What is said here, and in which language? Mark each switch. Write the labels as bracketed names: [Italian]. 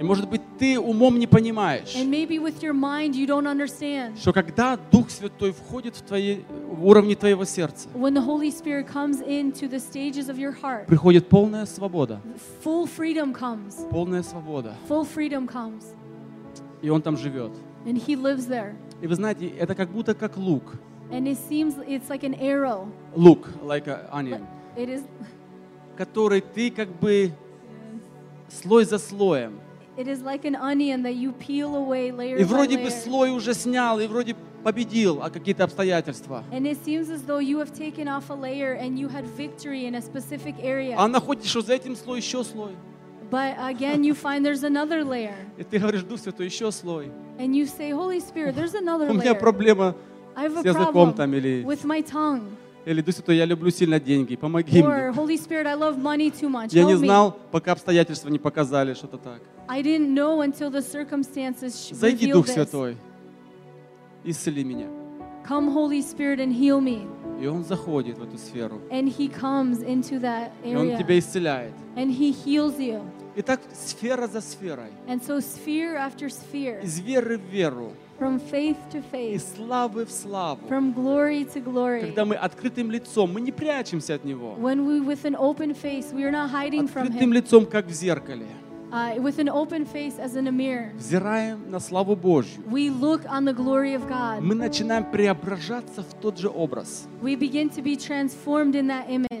[Russian] И может быть, ты умом не понимаешь, [English] and maybe with your mind you don't understand, [Russian] что когда Дух Святой входит в твои, в уровни твоего сердца, [English] when the Holy Spirit comes into the stages of your heart, [Russian] приходит полная свобода. [English] Full freedom comes. [Russian] Полная свобода. [English] Full freedom comes. [Russian] И Он там живет. [English] And He lives there. [Russian] И вы знаете, это как будто как лук. [English] And it seems it's like an arrow. Лук, like an onion. It is, [Russian] который ты как бы слой за слоем. [English] It is like an onion that you peel away layer. [Russian] И вроде [English] by layer. [Russian] Бы слой уже снял, и вроде победил, а какие-то обстоятельства. [English] And it seems as though you have taken off a layer and you had victory in a specific area. [Russian] А находишь, что за этим слой еще слой. [English] But again, you find there's another layer. [Russian] И ты говоришь, Дух Святой, еще слой. [English] And you say, Holy Spirit, there's another layer. [Russian] У меня проблема с языком там или [English] with my tongue. [Russian] Или Дух Святой, я люблю сильно деньги, помоги мне. [English] Or Holy Spirit, I love money too much. [Russian] Я не знал, пока обстоятельства не показали что-то так. [English] I didn't know until the circumstances revealed this. [Russian] Зайди, Дух Святой, исцели меня. [English] Come Holy Spirit and heal me. [Russian] И он заходит в эту сферу. [English] And he comes into that area. [Russian] И он тебя исцеляет. [English] And he heals you. [Russian] И так сфера за сферой. [English] And so sphere after sphere. [Russian] Из веры в веру. [English] From faith to faith. [Russian] Из славы в славу. [English] From glory to glory. [Russian] Когда мы открытым лицом, мы не прячемся от него. [English] When we with an open face, we are not hiding from him. [Russian] Открытым лицом, как в зеркале. [English] With an open face as in a mirror. [Russian] Взираем на славу Божью. [English] We look on the glory of God. [Russian] Мы начинаем преображаться в тот же образ. [English] We begin to be transformed in that image.